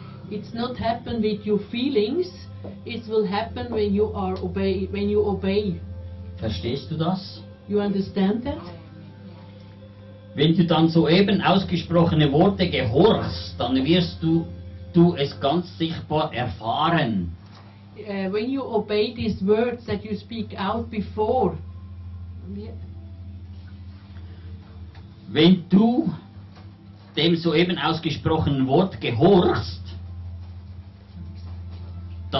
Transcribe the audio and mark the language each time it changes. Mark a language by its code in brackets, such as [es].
[en] It's not happen with your feelings. It will happen when you are obey. When you obey. [de] Verstehst du das? [en] You understand that? [de] Wenn du dann soeben ausgesprochene Worte gehorchst, dann wirst du es ganz sichtbar erfahren. [en] When you obey these words that you speak out before. [de] Wenn du dem soeben ausgesprochenen Wort gehorchst, da